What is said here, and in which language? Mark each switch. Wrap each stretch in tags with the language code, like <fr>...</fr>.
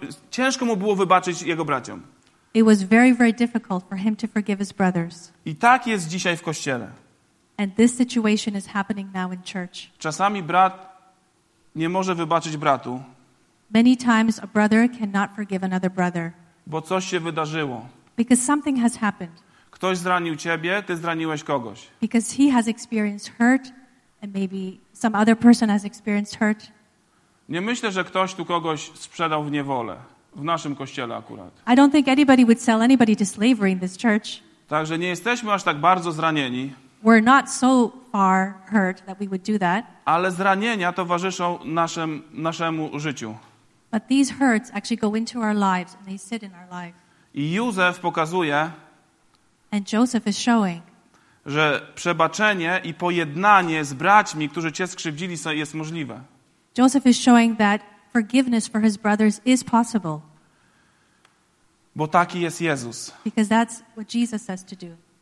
<pl>Ciężko mu było wybaczyć jego braciom.</pl> <en>It was very, very difficult for him to forgive his brothers.</en> <pl>I tak jest dzisiaj w kościele.</pl> <en>And this situation is happening now in church.</en> <pl>Czasami brat nie może wybaczyć bratu.</pl> <en>Many times a brother cannot forgive another brother.</en> <pl>Bo coś się wydarzyło.</pl> <en>Because something has happened.</en> <pl>Ktoś zranił ciebie, ty zraniłeś kogoś.</pl> <en>Because he has experienced hurt and maybe some other person has experienced hurt.</en> <pl>Nie myślę, że ktoś tu kogoś sprzedał w niewolę. W naszym kościele akurat.</pl> <en>I don't think anybody would sell anybody to slavery in this church.</en> <pl>Także nie jesteśmy aż tak bardzo zranieni.</pl> <en>We're not so far hurt that we would do that.</en> <pl>Ale zranienia towarzyszą naszemu życiu.</pl> <en>But these hurts actually go into our lives and they sit in our life.</en> <pl>I Józef pokazuje,</pl> <en>and Joseph is showing,</en> <pl>że przebaczenie i pojednanie z braćmi, którzy cię skrzywdzili, jest możliwe.</pl> <en>Joseph is showing that forgiveness for his brothers is possible.</en> <pl>Bo taki jest Jezus.</pl> <en>Because that's what Jesus says to do.</en>